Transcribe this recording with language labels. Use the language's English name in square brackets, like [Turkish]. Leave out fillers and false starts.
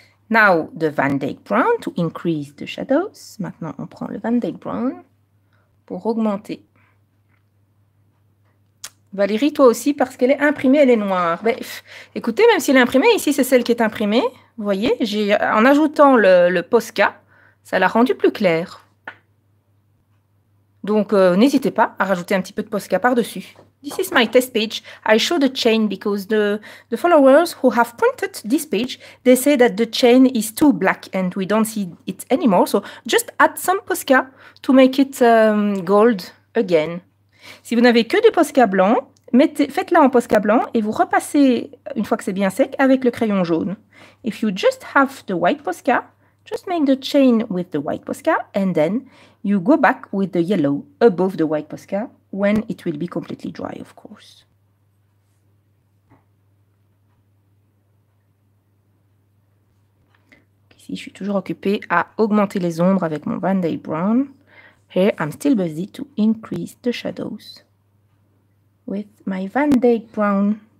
[English] Now, the Van Dyke Brown to increase the shadows. [French] Maintenant, on prend le Van Dyke Brown pour augmenter. Valérie, toi aussi, parce qu'elle est imprimée, elle est noire. Mais, écoutez, même si elle est imprimée, ici, c'est celle qui est imprimée. Vous voyez, en ajoutant le Posca, ça l'a rendu plus clair. Donc, n'hésitez pas à rajouter un petit peu de Posca par-dessus. [English] This is my test page. I show the chain because the followers who have printed this page, they say that the chain is too black and we don't see it anymore. So just add some Posca to make it gold again. [French] Si vous n'avez que du Posca blanc, faites-la en Posca blanc et vous repassez, une fois que c'est bien sec, avec le crayon jaune. [English] If you just have the white Posca, just make the chain with the white Posca and then you go back with the yellow above the white Posca when it will be completely dry, of course. [French] Ici, je suis toujours occupée à augmenter les ombres avec mon Van Dyke Brown. [English] Here, I'm still busy to increase the shadows with my Van Dyke Brown.